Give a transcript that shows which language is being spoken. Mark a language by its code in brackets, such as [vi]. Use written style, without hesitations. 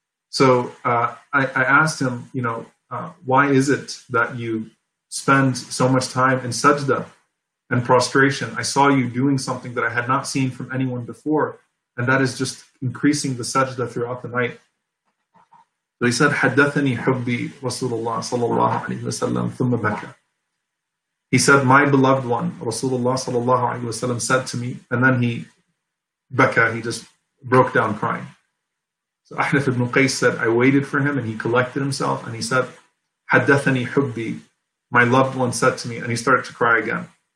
[en] So I asked him, you know, why is it that you spend so much time in sajda and prostration? I saw you doing something that I had not seen from anyone before, and that is just increasing the sajda throughout the night. So he said, [ar] حَدَّثَنِي حُبِّي رَسُولُ اللَّهِ صَلَى اللَّهُ عَلَيْهِ وَسَلَّمْ. [en] He said, my beloved one, Rasulullah sallallahu alayhi wa sallam, said to me, and then he, baka, he just broke down crying. So Ahnaf ibn Qais said, I waited for him and he collected himself and he said, [ar] haddathani hubbi, [en] my loved one said to me, and he started to cry again.